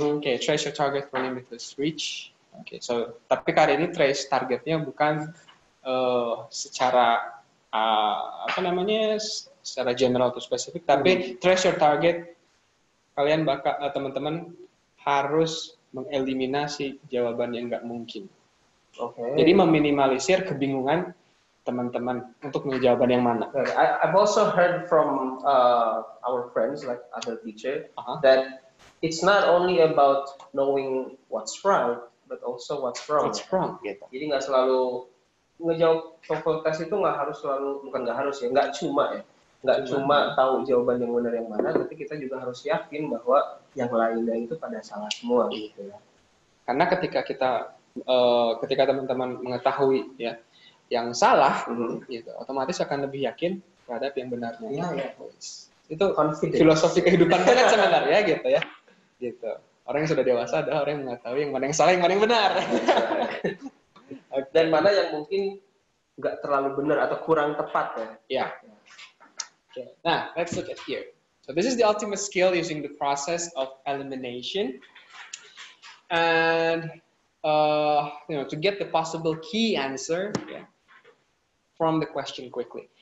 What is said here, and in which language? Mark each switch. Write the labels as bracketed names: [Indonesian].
[English] Okay, trace your target for limitless reach. Okay, so [Indonesian] tapi kali ini trace targetnya bukan secara apa namanya secara general atau spesifik, [English] tapi trace your target. [Indonesian] Kalian bakal teman-teman harus mengeliminasi jawaban yang nggak mungkin. Okay. Jadi meminimalisir kebingungan teman-teman untuk milih jawaban yang mana. [English] I've also heard from our friends like other teacher that it's not only about knowing what's right but also what's wrong. What's wrong? Gitu. [Indonesian] Jadi nggak selalu ngejawab TOEFL test itu nggak harus selalu bukan nggak harus ya nggak cuma ya nggak cuma tahu jawaban yang benar yang mana tapi kita juga harus yakin bahwa yang lainnya itu pada salah semua. Gitu ya. Karena ketika kita ketika teman-teman mengetahui ya yang salah, gitu, otomatis akan lebih yakin terhadap yang benarnya. Ya, ya. Itu confidence. Filosofi kehidupan banget sebenarnya, gitu ya. Gitu. Orang yang sudah dewasa adalah orang yang mengetahui yang mana yang salah, yang mana yang benar. Dan mana yang mungkin nggak terlalu benar atau kurang tepat ya. [English] Ya. Okay. Nah, let's look at here. So this is the ultimate skill using the process of elimination. And you know, to get the possible key answer from the question quickly.